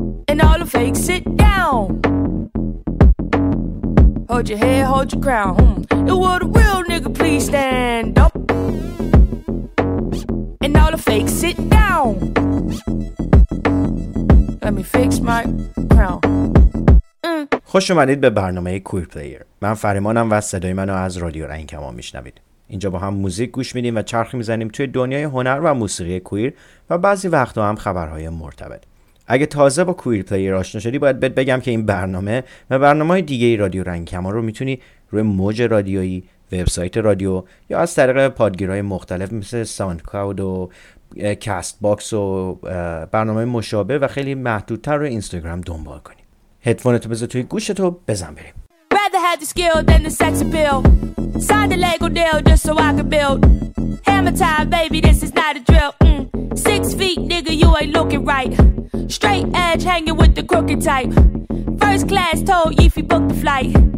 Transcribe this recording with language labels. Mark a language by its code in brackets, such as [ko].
[en] And all the fakes sit down. Hold your head, hold your crown. Would a real nigga please stand up? And all the fakes sit down. Let me fix my crown. [fa] خوش اومدید به برنامه کوییرپلیر. من فریمانم و صدای منو از رادیو رنگین کمان میشنوید. اینجا با هم موزیک گوش میدیم و چرخی میزنیم توی دنیای هنر و موسیقی کوییر و بعضی وقتا هم خبرهای مرتبط. اگه تازه با کوییرپلیر آشنا شدی باید بهت بگم که این برنامه و برنامه‌های دیگه رادیو رنگین کمان رو میتونی روی موج رادیویی، وبسایت رادیو یا از طریق پادگیرهای مختلف مثل ساوندکلاود و کاست باکس و برنامه مشابه و خیلی محدودتر روی اینستاگرام دنبال کنی. هدفونتو بذار توی گوشتو بزن بریم. [en] Rather have the skill than the sex appeal. Sign the Lego deal just so I can build. Hammer time, baby, this is not a drill. Six feet, nigga, you ain't looking right. Straight edge hanging with the crooked type. First class told you if you book the flight.